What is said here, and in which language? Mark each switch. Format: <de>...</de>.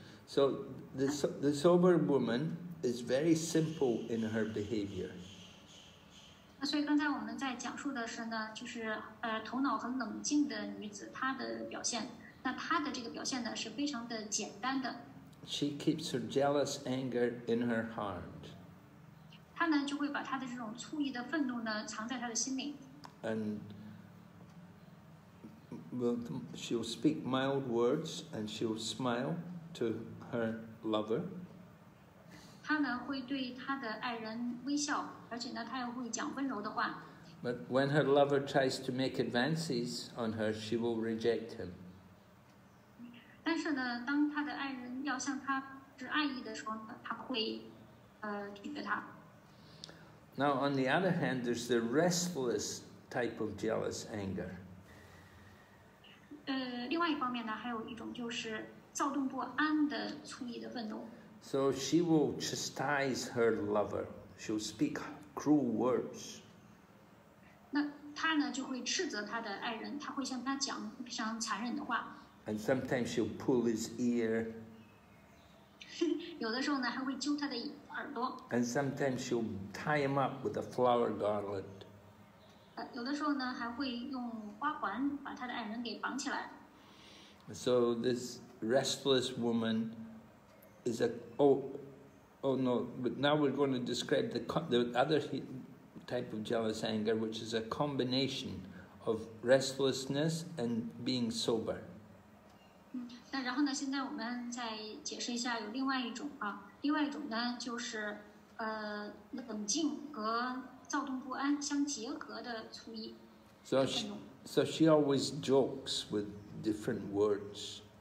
<en>So the sober woman is very simple in her behavior.</en> <zh>所以刚才我们在讲述的是呢，就是头脑很冷静的女子她的表现。那她的这个表现呢是非常的简单的。</zh> <en>She keeps her jealous anger in her heart.</en> <zh>她呢就会把她的这种醋意的愤怒呢藏在她的心里。</zh> <en>And she'll speak mild words and she'll smile to her lover.</en> <zh>她呢会对她的爱人微笑，而且呢，她又会讲温柔的话。</zh> <en>But when her lover tries to make advances on her, she will reject him.</en> <zh>但是呢，当她的爱人要向她示爱意的时候呢，她会拒绝他。</zh> <en>Now, on the other hand, there's the restless type of jealous anger.</en> <zh>另外一方面呢，还有一种就是躁动不安的醋意的愤怒。</zh> <en>So she will chastise her lover. She'll speak cruel words.</en> <zh>那她呢就会斥责她的爱人，她会向他讲非常残忍的话。</zh> <en>And sometimes she'll pull his ear.</en> <zh>有的时候呢还会揪他的耳朵。</zh> <en>And sometimes she'll tie him up with a flower garland.</en> <zh>有的时候呢还会用花环把她的爱人给绑起来。</zh> <en>So this restless woman. Is a oh no, but now we're going to describe the other type of jealous anger, which is a combination of restlessness and being sober.</en> <zh>那然后呢，现在我们再解释一下，有另外一种啊，另外一种呢就是冷静和躁动不安相结合的醋意。</zh> <en>So she always jokes with different words.</en>